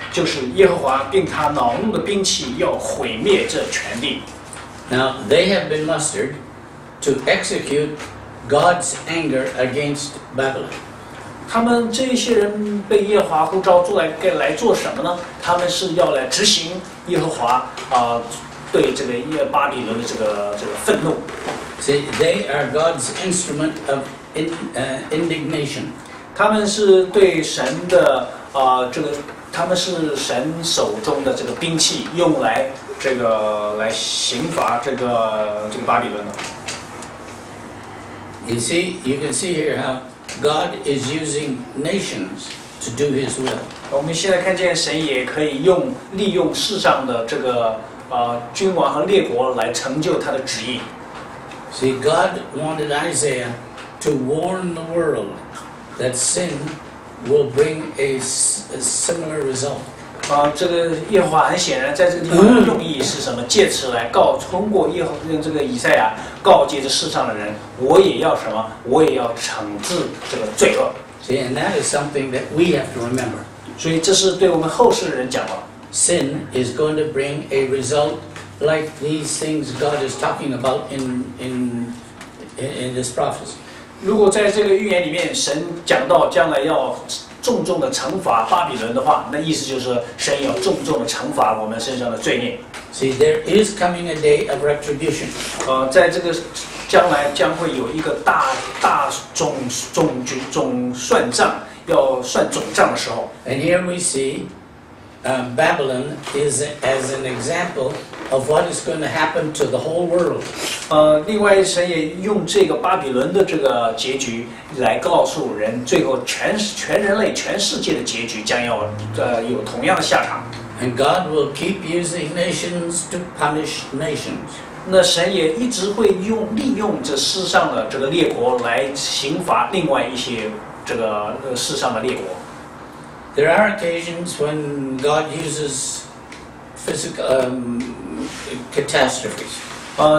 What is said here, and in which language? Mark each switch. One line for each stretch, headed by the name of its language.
Chinese: 就是耶和华并他恼怒的兵器要毁灭这全地。
English: Now they have been mustered. To execute God's anger against Babylon.
Chinese: 他们这些人被耶和华呼召来做什么呢？他们是要来执行耶和华对这个巴比伦的这个愤怒。
English: See, they are God's instrument of indignation.
Chinese: 他们是对神的他们是神手中的这个兵器，用来来刑罚这个巴比伦的。
English: You can see here how God is using nations to do His will.
Chinese: 我们现在看见神也可以利用世上的这个君王和列国来成就他的旨意。
English: See, God wanted Isaiah to warn the world that sin will bring a similar result.
Chinese: 这个耶和华很显然在这个地方的用意是什么？借此来告，通过这个以赛亚。告诫着世上的人，我也要什么？我也要惩治这个罪恶。
English: See, and that is something that we have to remember.
Chinese: 所以这是对我们后世的人讲的。
English: Sin is going to bring a result like these things God is talking about in this prophecy.
Chinese: 如果在这个预言里面，神讲到将来要重重的惩罚巴比伦的话，那意思就是神要重重的惩罚我们身上的罪孽。
English: See, there is coming a day of retribution.
Chinese: 在这个将来将会有一个大总算账，要算总账的时候。
English: And here we see Babylon is as an example of what is going to happen to the whole world.
Chinese: 另外神也用这个巴比伦的这个结局来告诉人，最后全人类、全世界的结局将要有同样的下场。
English: And God will keep using nations to punish nations.
Chinese: 那神也一直会利用这世上的这个列国来刑罚另外一些这个世上的列国。
English: There are occasions when God uses physical catastrophes.